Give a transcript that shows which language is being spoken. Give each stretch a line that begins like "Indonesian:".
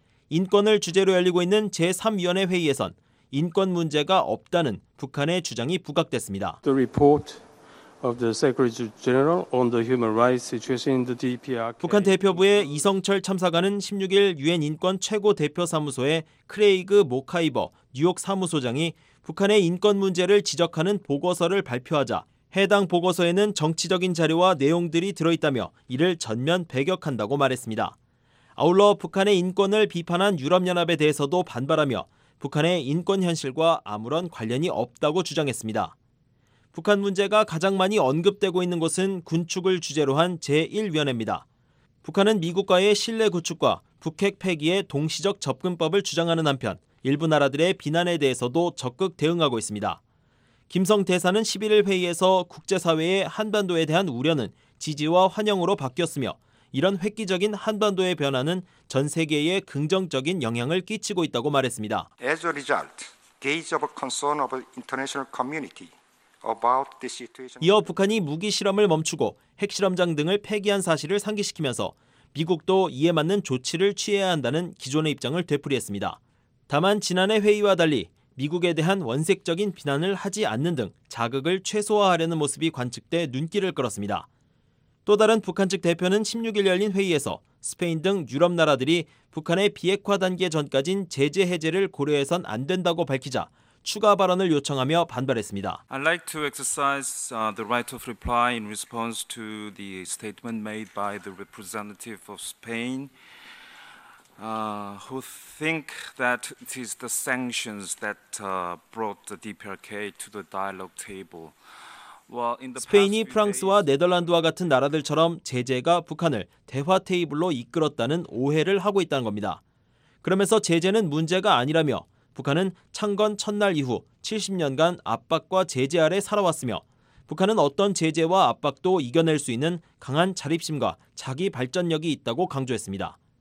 Korean: 인권을 주제로 열리고 있는 제3위원회 회의에선 인권 문제가 없다는 북한의 주장이 부각됐습니다.
English: The report of the Secretary General on the human rights situation in the DPRK.
Korean: 북한 대표부의 이성철 참사관은 16일 유엔 인권 최고 대표 사무소의 크레이그 모카이버 뉴욕 사무소장이 북한의 인권 문제를 지적하는 보고서를 발표하자 해당 보고서에는 정치적인 자료와 내용들이 들어있다며 이를 전면 배격한다고 말했습니다. 아울러 북한의 인권을 비판한 유럽연합에 대해서도 반발하며 북한의 인권 현실과 아무런 관련이 없다고 주장했습니다. 북한 문제가 가장 많이 언급되고 있는 곳은 군축을 주제로 한 제1위원회입니다. 북한은 미국과의 신뢰 구축과 북핵 폐기의 동시적 접근법을 주장하는 한편 일부 나라들의 비난에 대해서도 적극 대응하고 있습니다. 김성 대사는 11일 회의에서 국제사회의 한반도에 대한 우려는 지지와 환영으로 바뀌었으며 이런 획기적인 한반도의 변화는 전 세계에 긍정적인 영향을 끼치고 있다고 말했습니다.
English: As a result, gauge of concern of international community about the situation.
Korean: 이어 북한이 무기 실험을 멈추고 핵실험장 등을 폐기한 사실을 상기시키면서 미국도 이에 맞는 조치를 취해야 한다는 기존의 입장을 되풀이했습니다. 다만 지난해 회의와 달리 미국에 대한 원색적인 비난을 하지 않는 등 자극을 최소화하려는 모습이 관측돼 눈길을 끌었습니다. 또 다른 북한 측 대표는 16일 열린 회의에서 스페인 등 유럽 나라들이 북한의 비핵화 단계 전까진 제재 해제를 고려해선 안 된다고 밝히자 추가 발언을 요청하며 반발했습니다.
English: I'd like to exercise the right of reply in response to the statement made by the representative of Spain. Who think that it is the sanctions that brought the DPRK to the dialogue table? Well, in the
Korean: 스페인이 프랑스와 네덜란드와 같은 나라들처럼 제재가 북한을 대화 테이블로 이끌었다는 오해를 하고 있다는 겁니다. 그러면서 제재는 문제가 아니라며 북한은 창건 첫날 이후 70년간 압박과 제재 아래 살아왔으며 북한은 어떤 제재와 압박도 이겨낼 수 있는 강한 자립심과 자기 발전력이 있다고 강조했습니다.